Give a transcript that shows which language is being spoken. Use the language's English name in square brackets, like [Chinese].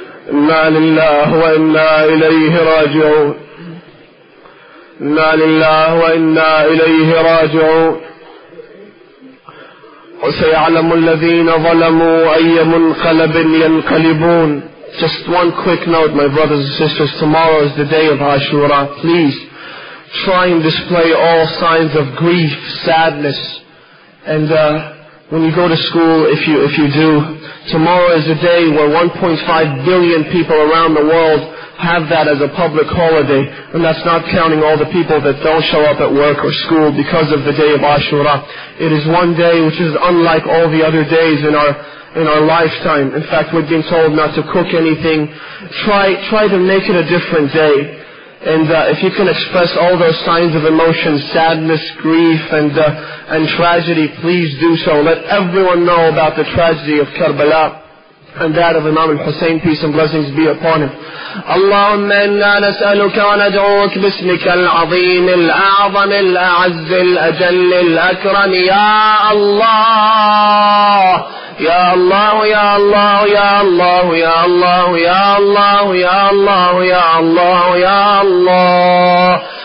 [Arabic] إنا لله وإنا إليه راجعون. إنا لله وإنا إليه راجعون. وسيعلم الذين ظلموا أي منقلب ينقلبون. [English] Just one quick note, my brothers and sisters, tomorrow is the day of Ashura. Please try and display all signs of grief, sadness. And when you go to school, if you do, tomorrow is a day where 1.5 billion people around the world have that as a public holiday. And that's not counting all the people that don't show up at work or school because of the day of Ashura. It is one day which is unlike all the other days in our lifetime. In fact, we've been told not to cook anything. Try to make it a different day. And if you can express all those signs of emotion, sadness, grief, and tragedy, please do so. Let everyone know about the tragedy of Karbala and that of Imam al-Hussein, peace and blessings be upon him. [Arabic] اللهم إنا نسألك وندعوك باسمك العظيم الأعظم الأعز الأجل الأكرم يا الله يا الله يا الله يا الله يا الله يا الله يا الله يا الله يا الله.